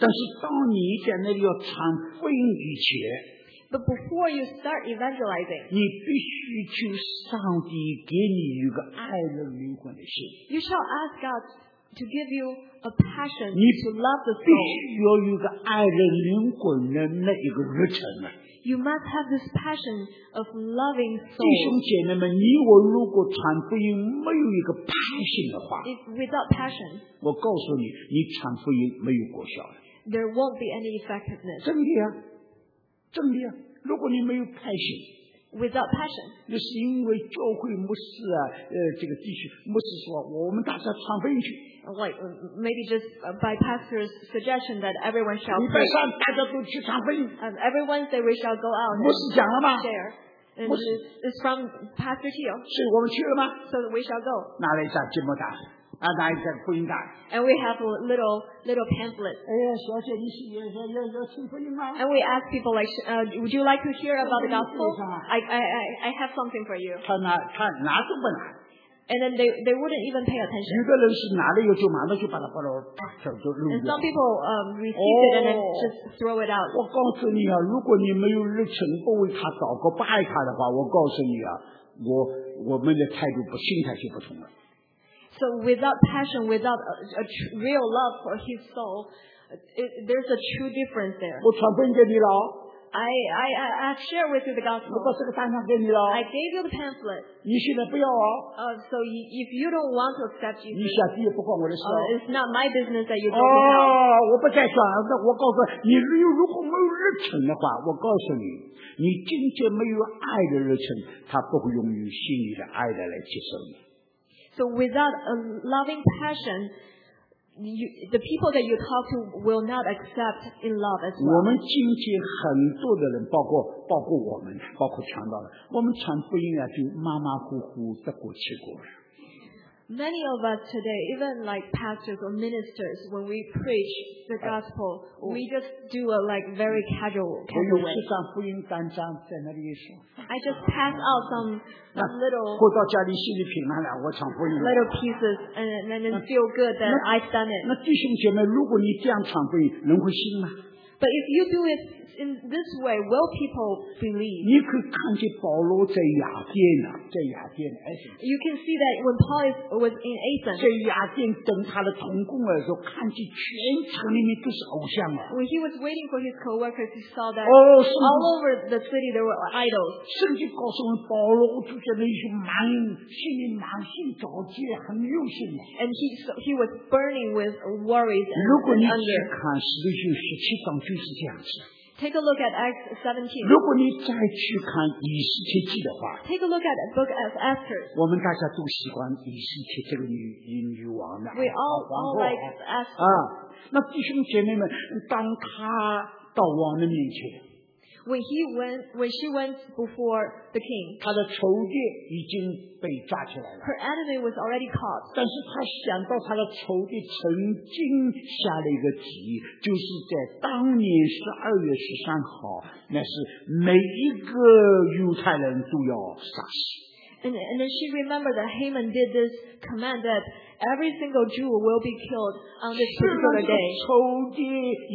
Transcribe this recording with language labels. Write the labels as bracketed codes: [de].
[zh] 但是当你在那里要传福音以前。 [en] But before you start evangelizing, [zh] 你必须求上帝给你一个爱的灵魂的心。 [en] You shall ask God to give you a passion to love the soul. [zh] 你必须要有一个爱的灵魂的那一个热忱呢。 [en] You must have this passion of loving soul. [zh] 弟兄姐妹们，你我如果传福音没有一个 passion 的话 [en] ，It's without passion. [zh] 我告诉你，你传福音没有果效的。 [en] There won't be any effectiveness. [zh] 真的呀。真的呀，如果你没有 passion， [en] without passion， [zh] 那是因为教会牧师啊，这个地区牧师说，我们大家传福音去。 [en] Like maybe just by pastor's suggestion that everyone shall. [zh] 礼拜三大家都去传福音。 [en] Every Wednesday we shall go out. [zh] 牧师讲了吗？ [en] Share. It's from Pastor Teal. [zh] 是我们去了吗？ [en] So we shall go. [zh] 拿了一张金木单。啊，拿一张福音单。 [en] And we have a little pamphlet. [zh] 哎呀，小姐，你是要听福音吗 [en] ？And we ask people like, would you like to hear about the gospel? I have something for you. [zh] 他拿都不拿。 [en] And then they wouldn't even pay attention. [zh] 有的人是拿了以后就马上就把它放到大小就扔掉。 [en] And some people receive it and then just throw it out. [zh] 我告诉你啊，如果你没有热忱，不为他祷告，不爱他的话，我告诉你啊，我们的态度不，心态就不同了。 [en] So without passion, without a real love for his soul, there's a true difference there. [zh] 我传福音给你了。 [en] I share with you the gospel. I gave you the pamphlet. So if you don't want to accept Jesus, it's not my business that you don't know. [zh] 你真正没有爱的热忱，他不会用你心里的爱来接受你。 [en] So without a loving passion, the people that you talk to will not accept in love as well. [zh] 我们今天很多的人，包括我们，包括传道人，我们传福音啊，就马马虎虎的过去过。 [en] Many of us today, even like pastors or ministers, when we preach the gospel, we just do a like very casual way. I just pass out some little pieces and then feel good that I've done it. [zh] 那弟兄姐妹，如果你这样传福音，人会信吗？ [en] But if you do it in this way, will people believe? [zh] 你可以看见保罗在雅典，在雅典， [en] You can see that when Paul was in Athens. [zh] 在雅典等他的同工的时候，看见全城里面都是偶像啊。 [en] When he was waiting for his co-workers, he saw that all over the city there were idols. [zh] 圣经告诉我们，保罗就在那里满心里满心着急，很忧心。 [en] And he was burning with worries and anger. [zh] 如果你去看《使徒行传》17章就是这样子。 [en] Take a look at Acts 17. [zh] 如果你再去看以斯帖记的话, [en] take a look at the book of Esther. [zh] 我们大家都喜欢以斯帖这个女王的, [en] we all like Esther. [zh] 那弟兄姐妹们，当她到王的面前, [en] when she went before the king, [zh] 她的仇敌已经被抓起来了, [en] her enemy was already caught. [zh] 但是她想到她的仇敌曾经下了一个旨意，就是在当年12月13号，那是每一个犹太人都要杀死。 [en] And then she remembered that Haman did this command that every single Jew will be killed on this particular day.